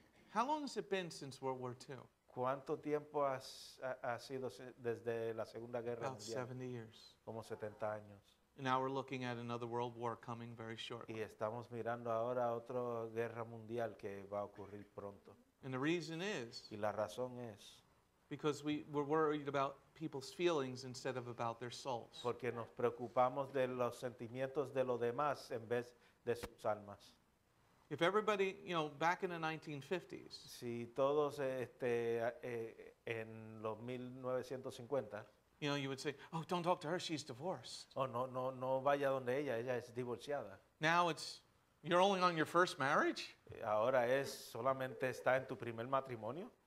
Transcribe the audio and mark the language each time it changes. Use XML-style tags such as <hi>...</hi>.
<en>How long has it been since World War II?</en> <es>¿Cuánto tiempo ha sido desde la Segunda Guerra Mundial?</es> <en>About 70 years.</en> <es>Como 70 años.</es> <en>And now we're looking at another world war coming very shortly.</en> <es>Y estamos mirando ahora otra guerra mundial que va a ocurrir pronto.</es> <en>And the reason is,</en> <es>y la razón es,</es> <en>because we're worried about people's feelings instead of about their souls.</en> <es>Porque nos preocupamos de los sentimientos de los demás en vez de sus almas.</es> <en>If everybody, you know, back in the 1950s,</en> <es>si todos en los 1950,</es> <en>you know, you would say, oh, don't talk to her, she's divorced.</en> <es>Oh, no vaya donde ella, ella es divorciada.</es> <en>Now it's, you're only on your first marriage?</en> <es>Ahora es solamente está en tu primer matrimonio.</es>